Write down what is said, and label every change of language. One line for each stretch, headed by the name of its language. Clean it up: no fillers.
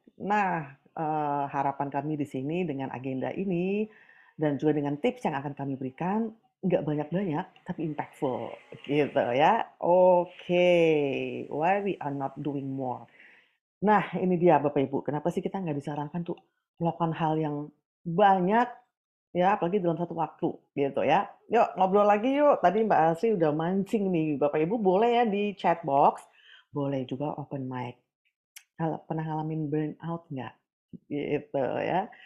Indonesian: Nah, harapan kami di sini dengan agenda ini dan juga dengan tips yang akan kami berikan nggak banyak-banyak tapi impactful gitu ya.
English: Okay, why we are not doing more?
Indonesian: Nah, ini dia Bapak Ibu. Kenapa sih kita nggak disarankan tuh melakukan hal yang banyak ya, apalagi dalam satu waktu gitu ya. Yuk ngobrol lagi yuk. Tadi Mbak Asri udah mancing nih Bapak Ibu, boleh ya di chat box, boleh juga open mic. Kalau pernah ngalamin burnout nggak? Gitu ya.